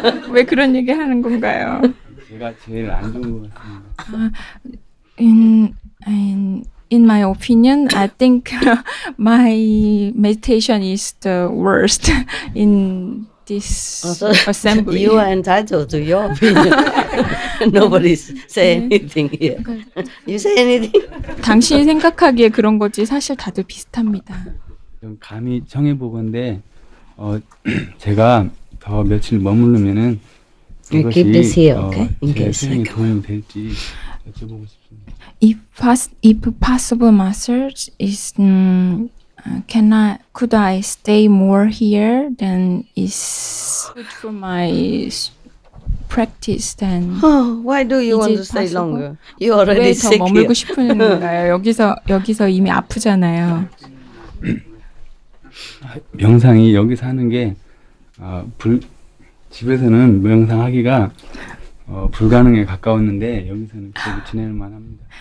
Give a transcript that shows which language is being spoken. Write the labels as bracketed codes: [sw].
[ko] 왜 그런 얘기 하는 건가요? 제가 제일 안 좋은 것 같습니다. [en] In my opinion, I think my meditation is the worst in this assembly. You are entitled to your opinion. Nobody's say anything here. You say anything? [ko] 당신이 생각하기에 그런 거지 사실 다들 비슷합니다. 감히 청해 보건데 제가 더 며칠 머무르면은 그것이 제 수행에 도움이 될지 여쭤보고 싶습니다. [en] If possible, Master, is could I stay more here than is good for my practice? Then oh, why do you want to stay longer? You already sick. [ko] 왜 더 머물고 싶은 건가요? 여기서 이미 아프잖아요. 명상이 여기서 하는 게 집에서는 명상하기가 불가능에 가까웠는데 여기서는 계속 지낼 만합니다.